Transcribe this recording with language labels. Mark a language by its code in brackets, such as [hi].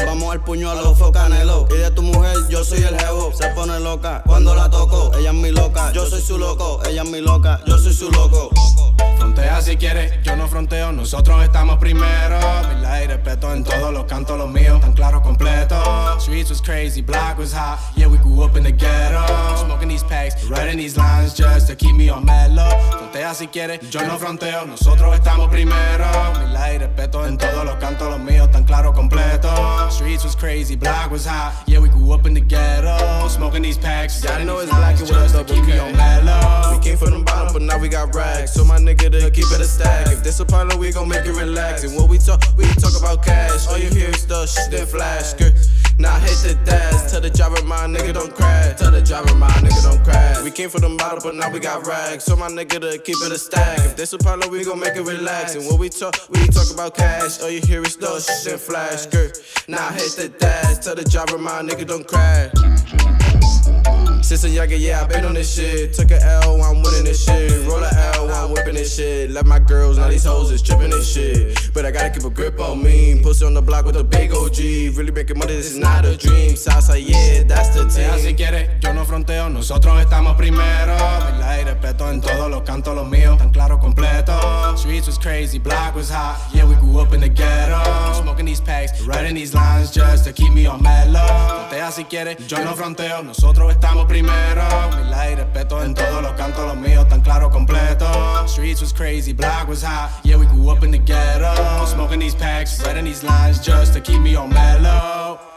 [es] Vamos al puño a los focanelos. Y de tu mujer, yo soy el jevo. Se pone loca cuando la toco. Ella es mi loca, yo soy su loco. Ella es mi loca, yo soy su loco. Frontea si quieres, yo no fronteo, nosotros estamos primero. Mil aire, respeto en todos los cantos, los míos tan claro, completo. [en] Streets was crazy, black was hot. Yeah, we grew up in the ghetto. Smoking these packs, writing these lines just to keep me on mellow. [es] Frontea si quieres, yo no fronteo, nosotros estamos primero. Mil aire, respeto en todos los cantos, los míos tan claro, completo. [en] Streets was crazy, black was hot. Yeah, we grew up in the ghetto. Smoking these packs, yeah, I know it's black and just to keep me on mellow. We came from the bottom, but now we got racks. So my nigga, to keep it a stack. If this a problem, we gon' make it relax. And when we talk about cash. All you hear is the shit that flash. Girl, now hit the dash. Tell the driver my nigga don't crash. Tell the driver my nigga don't crash. We came from the bottom, but now we got racks. So my nigga to keep it a stack. If this a problem, we gon' make it relax. And when we talk about cash. All you hear is the shit that flash. Girl, now hit the dash. Tell the driver my nigga don't crash. Since a younger, yeah, I been on this shit. Took a L, I'm winning this shit. Roll a L, I'm whipping this shit. Left my girls, now these hoes is tripping this shit. But I gotta keep a grip on me. Pussy on the block with a big OG. Really making money, this is not a dream. Salsa, yeah, that's the team. [es] Si quieres, yo no fronteo, nosotros estamos primero. Mil aire, respeto en todos los cantos, los míos tan claro, completo. [en] Streets was crazy, black was hot. Yeah, we grew up in the ghetto. Smoking these packs, writing these lines just to keep me on mellow. [es] Frontea si quieres, yo no fronteo, nosotros estamos primero. Mil aire, respeto en todos los cantos, los míos tan claro, completo. [en] Streets was crazy, black was hot. Yeah, we grew up in the ghetto. Smoking these packs, writing these lines just to keep me on mellow.